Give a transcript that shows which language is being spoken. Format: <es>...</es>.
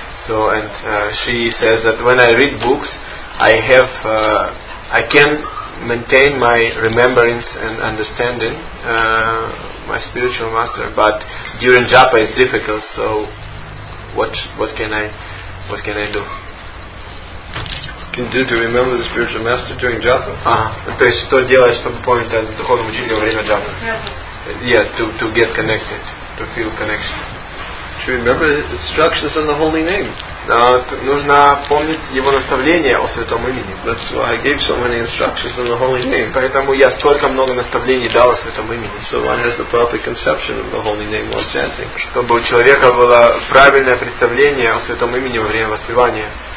<en>So, and she says that when I read books, I have, I can maintain my remembrance and understanding my spiritual master, but during japa it's difficult. So, what can I do? Can do to remember the spiritual master during japa.</en> <ru>То есть что делать, чтобы помнить о духовном учителе во время джапы?</ru> <en>Yeah, to get connected, to feel connection. To remember the instructions on the holy name.</en> <ru>Нужно помнить его наставления о святом имени.</ru> <en>That's why I gave so many instructions on the holy name.</en> <ru>Поэтому я столько много наставлений дал о святом имени.</ru> <en>So one has the proper conception of the holy name while chanting.</en> <ru>Чтобы у человека было правильное представление о святом имени во время воспевания.</ru>